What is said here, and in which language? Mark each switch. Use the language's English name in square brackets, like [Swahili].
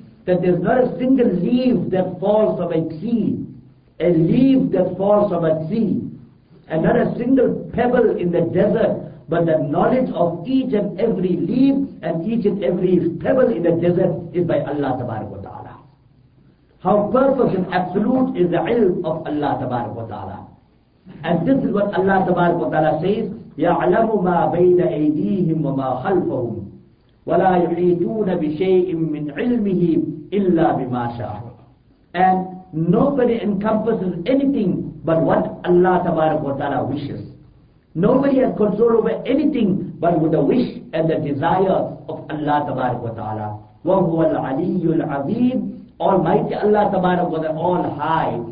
[English] That there is not a single leaf that falls from a tree, a leaf that falls from a tree, and not a single pebble in the desert, but the knowledge of each and every leaf and each and every pebble in the desert is by Allah Tabaraka wa Ta'ala. How perfect and absolute is the ilm of Allah Tabaraka wa Ta'ala. And this is what Allah Tabaraka wa Ta'ala says, [Arabic] يَعْلَمُ مَا بَيْنَ أَيْدِيهِمْ وَمَا خَلْفَهُمْ وَلَا يُحِيطُونَ بِشَيْءٍ مِّنْ عِلْمِهِ إِلَّا بِمَا شَاءُ. [English] And nobody encompasses anything but what Allah Tabaraka wa Ta'ala wishes. Nobody has control over anything but with the wish and the desire of Allah Tabaraka wa Ta'ala. [Arabic] وَهُوَ الْعَلِيُّ الْعَظِيمُ. [English] Almighty Allah Tabaraka wa Ta'ala, all high.